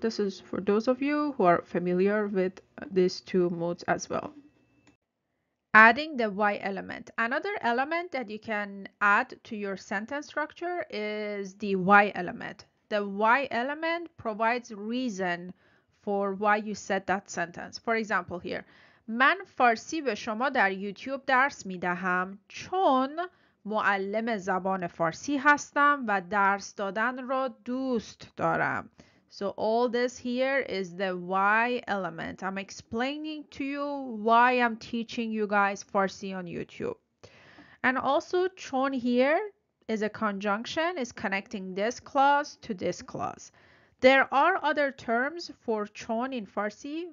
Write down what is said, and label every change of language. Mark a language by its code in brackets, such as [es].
[en] This is for those of you who are familiar with these two modes as well. Adding the Y element. Another element that you can add to your sentence structure is the Y element. The Y element provides reason for why you said that sentence. For example here, [fa] من فارسی به شما در یوتیوب درس می دهم چون معلم زبان فارسی هستم و درس دادن را دوست دارم. [en] So all this here is the why element. I'm explaining to you why I'm teaching you guys Farsi on YouTube. And also چون here is a conjunction, is connecting this clause to this clause. There are other terms for چون in Farsi.